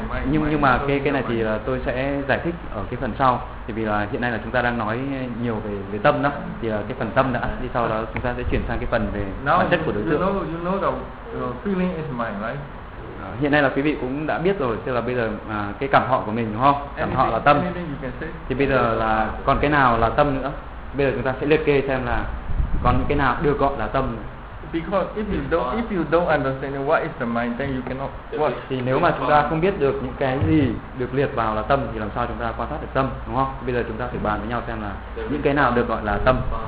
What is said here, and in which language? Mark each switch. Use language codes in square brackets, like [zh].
[vi] Nhưng mà cái này thì là tôi sẽ giải thích ở cái phần sau, thì vì là hiện nay là chúng ta đang nói nhiều về tâm đó, thì là cái phần tâm đã, thì sau đó chúng ta sẽ chuyển sang cái phần về bản chất của đối tượng. [en] You know the feeling is mind, right? [vi] Hiện nay là quý vị cũng đã biết rồi, tức là bây giờ cái cảm thọ của mình đúng không? Cảm thọ là tâm. Thì bây giờ là còn cái nào là tâm nữa? Bây giờ chúng ta sẽ liệt kê xem là còn cái nào được gọi là tâm. [en] Because if you don't understand what is the mind, then you cannot what. [vi] Thì nếu mà chúng ta không biết được những cái gì được liệt vào là tâm thì làm sao chúng ta quan sát được tâm, đúng không? Bây giờ chúng ta phải bàn với nhau xem là những cái nào được gọi là tâm.